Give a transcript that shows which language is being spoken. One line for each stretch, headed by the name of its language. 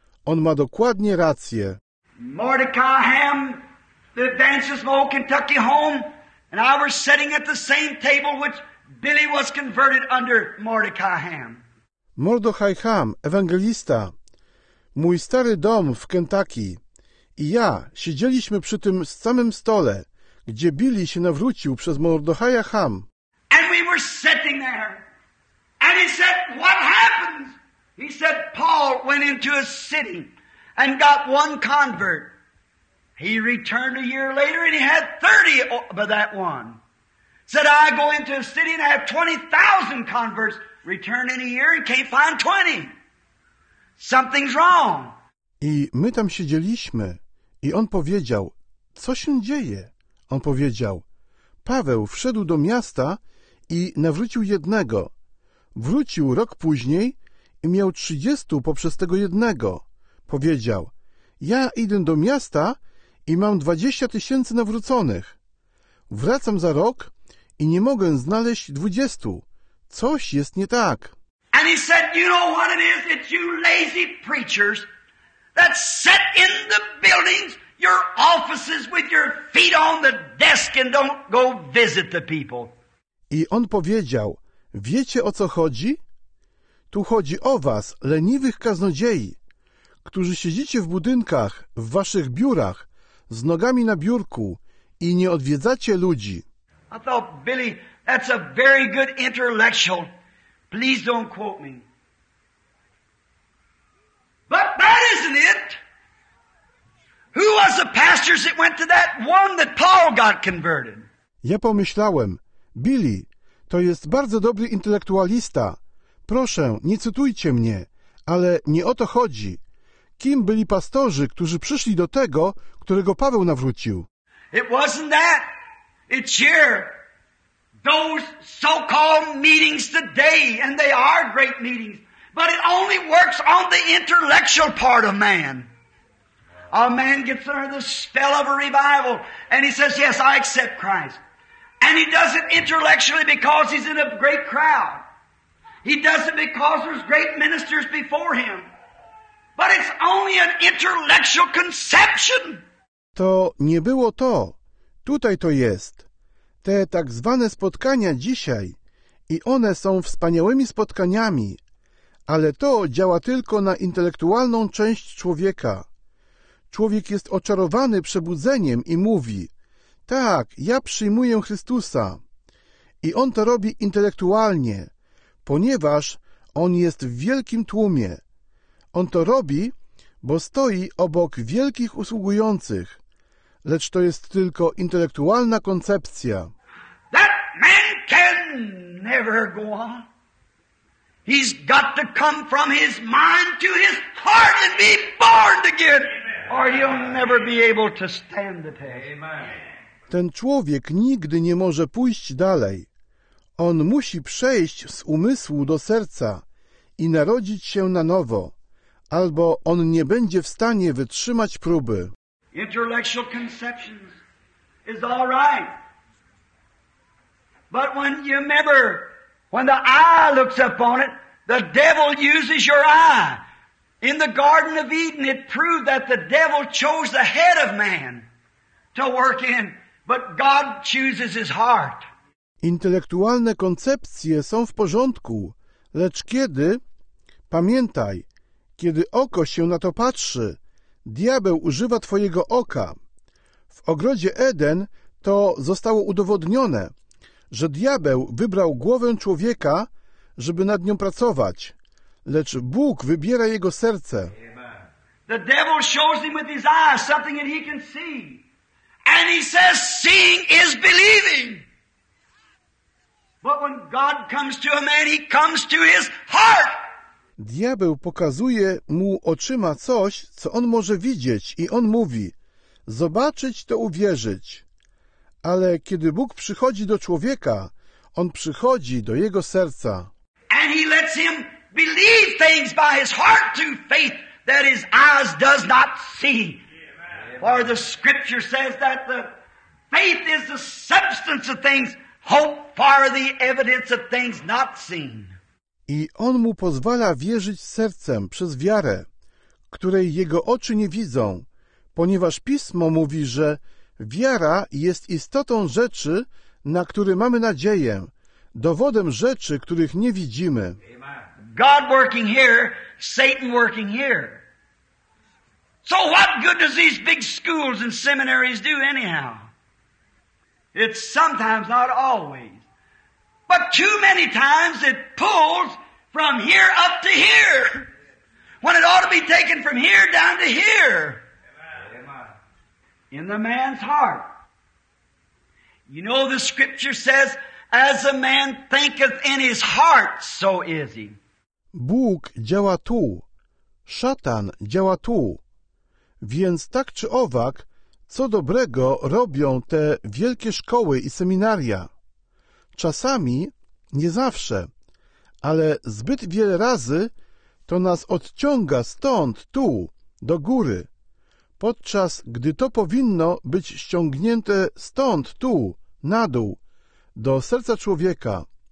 Polish: On ma dokładnie rację.
English: Mordecai Ham, the evangelist of Old Kentucky home, and I were sitting at the same table which Billy was converted under Mordecai Ham.
Polish: Mordecai Ham, ewangelista, mój stary dom w Kentucky, i ja siedzieliśmy przy tym samym stole, gdzie Billy się nawrócił przez Mordecaja Ham.
English: And we were sitting there, and he said, "What happens?" He said, "Paul went into a city and got one convert. He returned a year later and he had 30 by that one. Said, I go into a city and have 20,000 converts. Return in a year and can't find 20. Something's wrong."
Polish: I my tam siedzieliśmy i on powiedział, co się dzieje? On powiedział, Paweł wszedł do miasta i nawrócił jednego. Wrócił rok później i miał 30 poprzez tego jednego. Powiedział, ja idę do miasta i mam 20 000 nawróconych. Wracam za rok i nie mogę znaleźć 20. Coś jest nie tak.
English: And he said, you know what it is? It's you lazy preachers that sit in the buildings, your offices with your feet on the desk and don't go visit the people.
Polish: I on powiedział, wiecie o co chodzi? Tu chodzi o was, leniwych kaznodziei, którzy siedzicie w budynkach, w waszych biurach, z nogami na biurku i nie odwiedzacie ludzi.
English: I thought, Billy, that's a very good intellectual. Please don't quote me. But that isn't it. Who was the pastors that went to that one that Paul got converted?
Polish: Ja pomyślałem, Billy, to jest bardzo dobry intelektualista. Proszę, nie cytujcie mnie, ale nie o to chodzi. Kim byli pastorzy, którzy przyszli do tego, którego Paweł nawrócił?
English: It wasn't that. It's here. Those so-called meetings today, and they are great meetings, but it only works on the intellectual part of man. A man gets under the spell of a revival, and he says, yes, I accept Christ. And he does it intellectually because he's in a great crowd. He does it because there's great ministers before him. But it's only an intellectual conception.
Polish: To nie było to. Tutaj to jest. Te tak zwane spotkania dzisiaj, i one są wspaniałymi spotkaniami, ale to działa tylko na intelektualną część człowieka. Człowiek jest oczarowany przebudzeniem i mówi: tak, ja przyjmuję Chrystusa. I on to robi intelektualnie, ponieważ on jest w wielkim tłumie. On to robi, bo stoi obok wielkich usługujących, lecz to jest tylko intelektualna koncepcja.
English: That man can never go on. He's got to come from his mind to his heart and be born again, or he'll never be able to stand the test.
Polish: Ten człowiek nigdy nie może pójść dalej. On musi przejść z umysłu do serca i narodzić się na nowo, albo on nie będzie w stanie wytrzymać próby.
English: Intellectual conceptions is all right. But when you remember, when the eye looks upon it, the devil uses your eye. In the Garden of Eden, it proved that the devil chose the head of man to work in, but God chooses his heart.
Polish: Intelektualne koncepcje są w porządku, lecz kiedy, pamiętaj, kiedy oko się na to patrzy, diabeł używa twojego oka. W ogrodzie Eden to zostało udowodnione, że diabeł wybrał głowę człowieka, żeby nad nią pracować, lecz Bóg wybiera jego serce.
English: The devil shows him with his eyes something that he can see. And he says, seeing is believing. But when God comes to a man, he comes to his heart.
Polish: Diabeł pokazuje mu oczyma coś, co on może widzieć, i on mówi: zobaczyć to uwierzyć. Ale kiedy Bóg przychodzi do człowieka, on przychodzi do jego serca.
English: And he lets him believe things by his heart to faith that his eyes does not see. For the scripture says that the faith is the substance of things hoped for, the evidence of things not seen.
Polish: I on mu pozwala wierzyć sercem przez wiarę, której jego oczy nie widzą, ponieważ Pismo mówi, że wiara jest istotą rzeczy, na które mamy nadzieję, dowodem rzeczy, których nie widzimy.
English: God working here, Satan working here. So what good does these big schools and seminaries do anyhow? It's sometimes, not always. But too many times it pulls from here up to here, when it ought to be taken from here down to here. In the man's heart. You know, the scripture says, as a man thinketh in his heart, so is he.
Polish: Bóg działa tu. Szatan działa tu. Więc tak czy owak, co dobrego robią te wielkie szkoły i seminaria? Czasami, nie zawsze, ale zbyt wiele razy to nas odciąga stąd, tu, do góry, podczas gdy to powinno być ściągnięte stąd, tu, na dół, do serca człowieka.